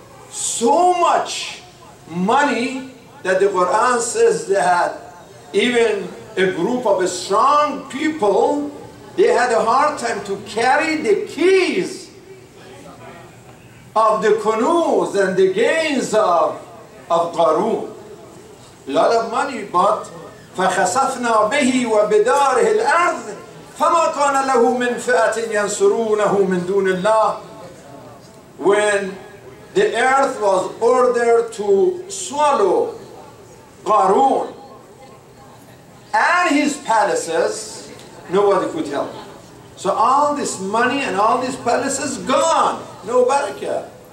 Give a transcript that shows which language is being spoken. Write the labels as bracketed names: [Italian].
[English] So much money that the Quran says that even a group of strong people, they had a hard time to carry the keys of the kunuz and the gains of Qarun. A lot of money, but [Arabic] فَخَسَفْنَا بِهِ وَبِدَارِهِ الْأَرْضِ فَمَا كَانَ لَهُ مِنْ فِئَةٍ يَنْصُرُونَهُ مِنْ دُونِ اللَّهِ. [English] When the earth was ordered to swallow Qarun and his palaces, nobody could help him. So all this money and all these palaces gone. No barakah.